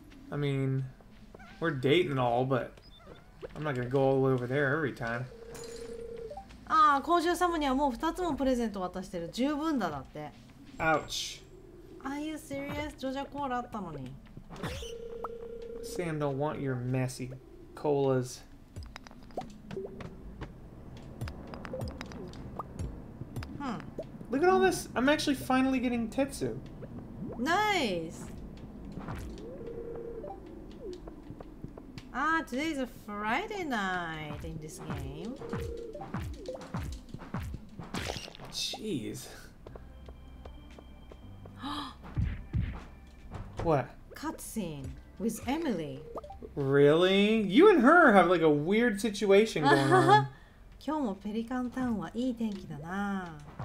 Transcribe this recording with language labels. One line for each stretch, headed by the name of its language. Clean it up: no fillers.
English: I mean, we're dating all, but I'm not gonna go all the way over there every time.
Japanese: Ah, 工場様にはもう2つもプレゼント渡してる。十分だだって。
English: Ouch. Are you serious?
Japanese: Joja Cola あったのに。
English: Sam don't want your messy colas. Look at all this! I'm actually finally getting Tetsu! Nice! Ah, today's a Friday night in this game. Jeez. What? Cutscene with Emily. Really? You and her have like a weird situation going on.
Japanese: 今日もペリカンタウンはいい天気だな。